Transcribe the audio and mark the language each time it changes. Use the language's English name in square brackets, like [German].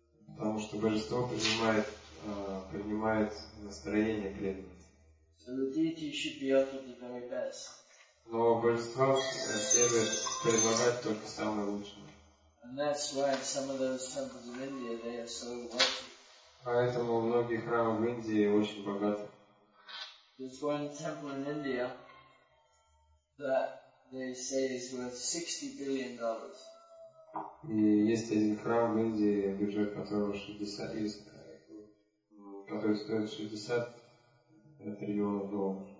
[Russian] Потому что божество принимает настроение преданности. [English] So the deity should be offered the very best. [Russian] Но божество следует предлагать только самое лучшее. [English] And that's why some of those temples in India, they are so wealthy. [Russian] Поэтому многие храмы в Индии очень богаты. [English] There's one temple in India that they say is worth $60 billion. [Russian] И есть один храм в Индии, бюджет которого 60 из, который стоит 60 триллионов долларов.